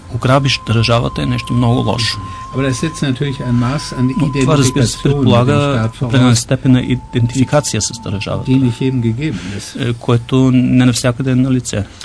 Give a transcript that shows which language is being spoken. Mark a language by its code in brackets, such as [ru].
[bg] Ограбиш държавата е нещо много лошо. [de] Aber das setzt natürlich ein Maß an Identifikation. [bg] Това разбира се предполага определена степен на идентификация с държавата, което не навсякъде е на лице.